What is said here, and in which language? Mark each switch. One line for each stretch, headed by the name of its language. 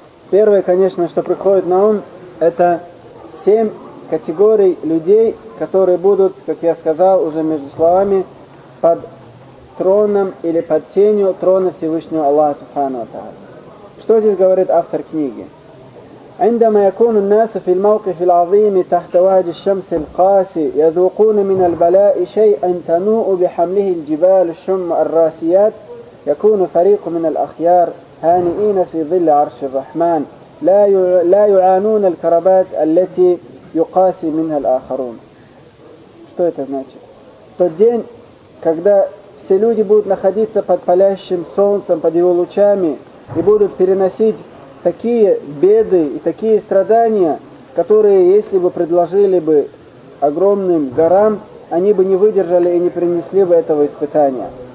Russian: Первое, конечно, что приходит на ум, это семь категорий людей, которые будут, как я сказал уже между словами, под троном или под тенью трона Всевышнего Аллаха Субхану ва Тааля. Что здесь говорит автор книги?
Arabic: عندما يكون الناس في الموقف العظيم تحت وهج الشمس القاسي يذوقون من البلاء شيئا تنوء بحمله الجبال الشم الراسيات يكون فريق من الأخيار هانئين في ظل عرش الرحمن لا يعانون الكربات التي يقاسي منها الآخرون.
Russian: Что это значит? Тот день, когда все люди будут находиться под палящим солнцем, под его лучами и будут переносить такие беды и такие страдания, которые, если бы предложили бы огромным горам, они бы не выдержали и не принесли бы этого испытания.